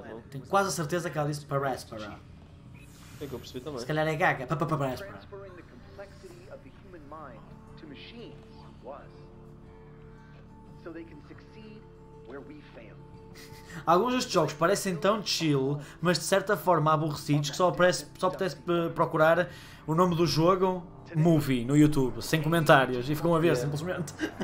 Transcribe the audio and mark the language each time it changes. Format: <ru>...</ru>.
<pt>Tenho quase a certeza que ela disse paráspara. É que eu percebi também. Se calhar é gaga.</pt> <en>Transferring the complexity of the human mind to machines was. So they can succeed where we fail.</en> <pt>Alguns destes jogos parecem tão chill, mas de certa forma aborrecidos que só pudesse procurar o nome do jogo Movie no YouTube, sem comentários, e ficam a ver simplesmente.</pt>